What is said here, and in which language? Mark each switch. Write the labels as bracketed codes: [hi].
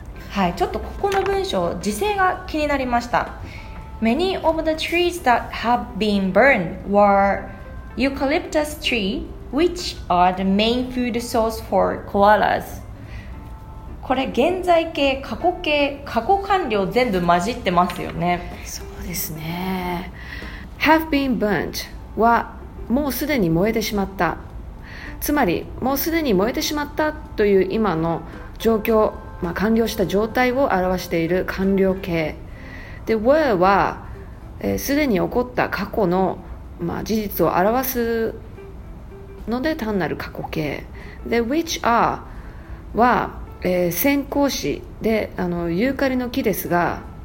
[ja] はい、ちょっとここの文章時制が気になりました。 [en] Many of the trees that have been burned were eucalyptus trees, which are the main food source for koalas。 [ja] これ現在形、過去形、過去完了全部混じってますよね。そうですね。 [en] Have been burnt [ja] はもうすでに燃えてしまった、つまりもうすでに燃えてしまったという今の状況、まあ、完了した状態を表している完了形で、 Were はすで、に起こった過去の、まあ、事実を表すので単なる過去形で、 [en] Which are [ja] は先行詞でユーカリの木ですが、